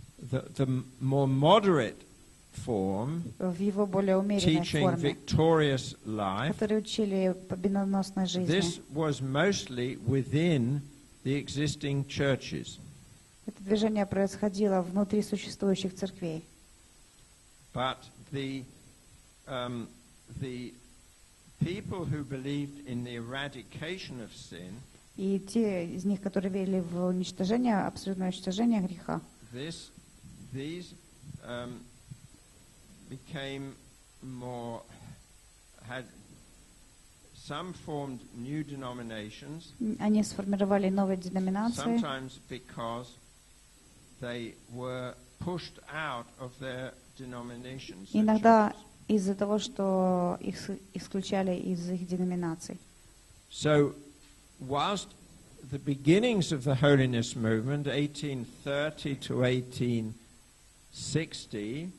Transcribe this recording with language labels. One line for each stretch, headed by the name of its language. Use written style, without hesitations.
English: the more moderate form,
Russian: в его более умеренной
English: teaching
Russian: форме,
English: victorious life,
Russian: которые учили победоносной жизни,
English: this was mostly within the existing churches.
Russian: Это движение происходило внутри существующих церквей.
English: But the people who believed in the eradication of sin,
Russian: и те из них, которые верили в уничтожение, абсолютное уничтожение греха,
English: this these became more, had some formed new denominations.
Russian: Они сформировали новые деноминации.
English: Sometimes because they were pushed out of their denominations.
Russian: Иногда из-за того, что их исключали из их деноминаций.
English: So, whilst the beginnings of the Holiness Movement, 1830 to 1860,